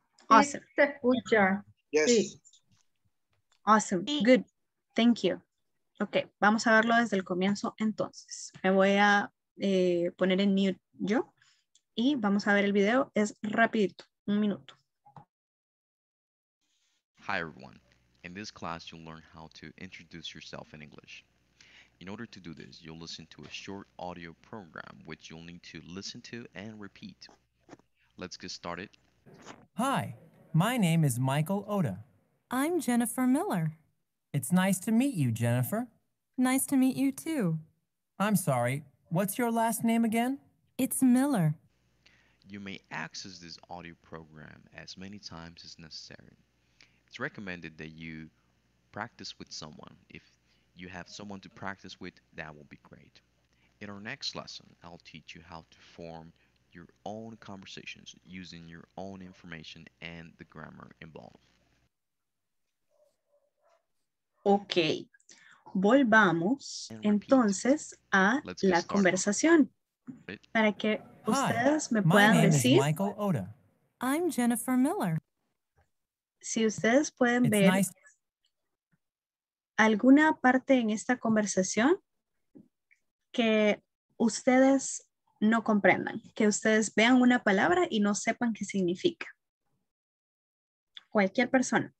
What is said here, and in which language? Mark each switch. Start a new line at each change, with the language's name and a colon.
English: Awesome.
Spanish: Sí, te escucha.
English: Yes. Sí. Awesome. Sí. Good. Thank you.
Spanish: Ok, vamos a verlo desde el comienzo entonces. Me voy a poner en mute yo y vamos a ver el video. Es rapidito, un minuto.
English: Hi everyone. In this class, you'll learn how to introduce yourself in English. In order to do this, you'll listen to a short audio program, which you'll need to listen to and repeat. Let's get started. Hi, my name is Michael Oda. I'm Jennifer Miller. It's nice to meet you, Jennifer. Nice to meet you too. I'm sorry, what's your last name again? It's Miller. You may access this audio program as many times as necessary. It's recommended that you practice with someone. If you have someone to practice with, that will be great. In our next lesson, I'll teach you how to form your own conversations using your own information and the grammar involved.
Spanish: Ok, volvamos entonces a la conversación para que ustedes me puedan decir.
English: Hi, my name is Michael Oda. I'm Jennifer Miller.
Spanish: Si ustedes pueden ver alguna parte en esta conversación que ustedes no comprendan, que ustedes vean una palabra y no sepan qué significa. Cualquier persona.